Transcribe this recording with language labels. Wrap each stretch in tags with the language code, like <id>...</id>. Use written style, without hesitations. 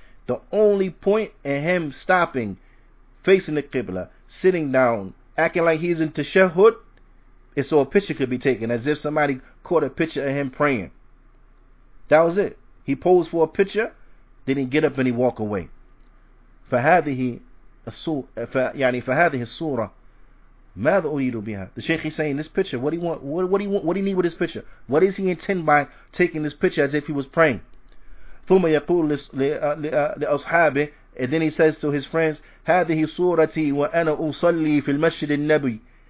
<en>The only point in him stopping, facing the Qibla, sitting down, acting like he's in tashahud, is so a picture could be taken, as if somebody caught a picture of him praying. That was it. He posed for a picture. Then he get up and he walk away.</en> <ar>فَهَذِهِ السُّورَةَ مَاذَ أُرِيدُ بِهَا.</ar> <en>The Shaykh is saying, this picture, what do he want? What do he want? What do he need with this picture? What does he intend by taking this picture as if he was praying?</en> <ar>ثُمَّ يَقُولُ لِأَصْحَابِهِ.</ar> <en>And then he says to his friends,</en> <ar>هَذِهِ سُورَتِي وَأَنَا أُصَلِّي فِي الْمَسْجِدِ النَّبِيِّ.</ar>